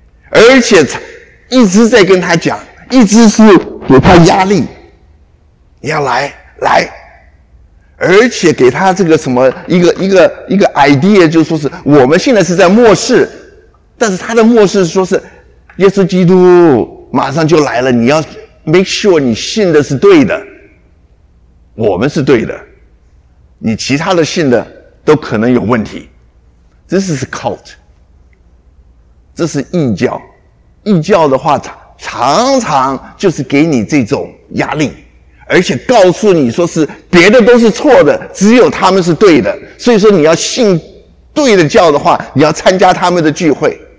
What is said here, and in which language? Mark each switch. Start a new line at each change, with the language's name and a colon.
Chinese: 而且一直在跟他讲，一直是给他压力，你要来，而且给他这个什么一个 idea， 就是说是我们现在是在末世，但是他的末世说是耶稣基督马上就来了，你要
English: make sure
Chinese: 你信的是对的，我们是对的，你其他的信的都可能有问题。
English: This is cult，
Chinese: 这是异教。异教的话常常就是给你这种压力，而且告诉你说是别的都是错的，只有他们是对的，所以说你要信对的教的话，你要参加他们的聚会。